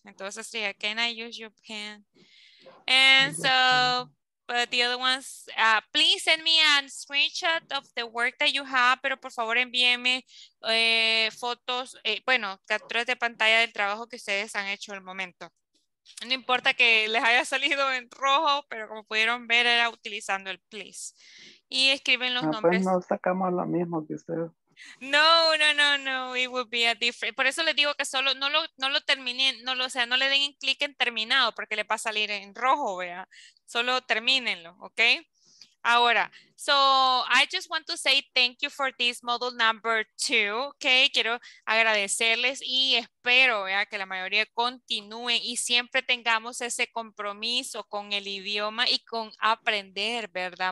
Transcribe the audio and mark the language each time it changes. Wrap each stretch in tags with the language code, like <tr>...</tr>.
<es>Entonces sería,</es> <en>can I use your pen? And so, but the other ones, please send me a screenshot of the work that you have,</en> <es>pero por favor envíenme fotos, bueno, capturas de pantalla del trabajo que ustedes han hecho al momento. No importa que les haya salido en rojo, pero como pudieron ver, era utilizando el please. Y escriben los nombres. Pues no sacamos lo mismo que ustedes.</es> <en>No, no, no, no, it would be a different.</en> <es>Por eso les digo que solo no lo terminen, no lo, o sea, no le den clic en terminado porque le va a salir en rojo, vea. Solo termínenlo, ¿ok? Ahora,</es> <en>so I just want to say thank you for this model number 2,</en> <es>¿ok? Quiero agradecerles y espero, vea, que la mayoría continúe y siempre tengamos ese compromiso con el idioma y con aprender, ¿verdad?</es>